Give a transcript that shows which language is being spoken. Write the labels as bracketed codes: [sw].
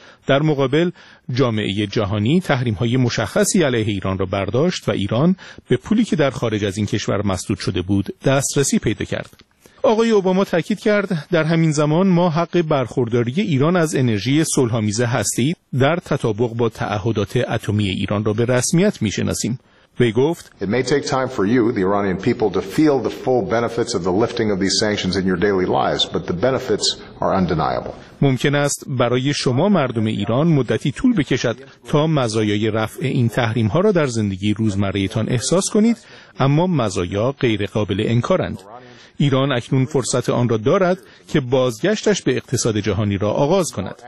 [fa] در مقابل جامعه جهانی تحریم‌های مشخصی علیه ایران را برداشت و ایران به پولی که در خارج از این کشور مسدود شده بود دسترسی پیدا کرد. آقای اوباما تأکید کرد: در همین زمان ما حق برخورداری ایران از انرژی صلح‌آمیز هسته‌ای در تطابق با تعهدات اتمی ایران را به رسمیت می‌شناسیم. وی گفت: [en] It may take time for you, the Iranian people, to feel the full benefits of the lifting of these sanctions in your daily lives, but the benefits are undeniable. [fa] ممکن است برای شما مردم ایران مدتی طول بکشد تا مزایای رفع این تحریم‌ها را در زندگی روزمره‌تان احساس کنید، اما مزایا غیر قابل انکارند. ایران اکنون فرصت آن را دارد که بازگشتش به اقتصاد جهانی را آغاز کند.